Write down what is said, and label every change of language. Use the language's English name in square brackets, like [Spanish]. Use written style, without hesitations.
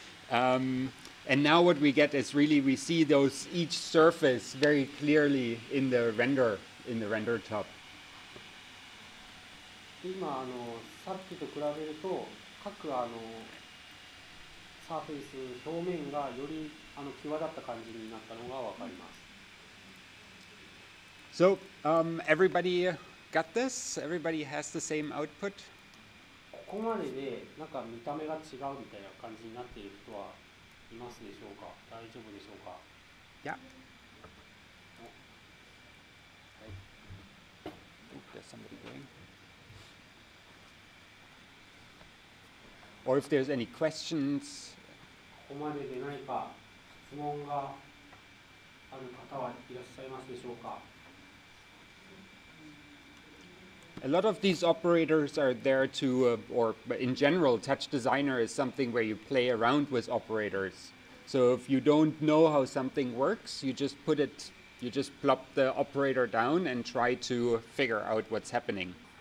[English] And now what we get is really we see those each surface very clearly in the render. In the render top. [Japanese] 今あのさっきと比べると各あのサーフェイス表面がよりあの際立った感じになったのが分かります。 [English] So, everybody got this? Everybody has the same output? [Japanese] ここまででなんか見た目が違うみたいな感じになっている人はいますでしょうか？大丈夫でしょうか？いや。 [English] There's somebody going. Or if there's any questions. [Japanese] ここまでで何か質問がある方はいらっしゃいますでしょうか？ [English] A lot of these operators are there to, or in general, touch designer is something where you play around with operators. So if you don't know how something works, you just put it. You just plop the operator down and try to figure out what's happening.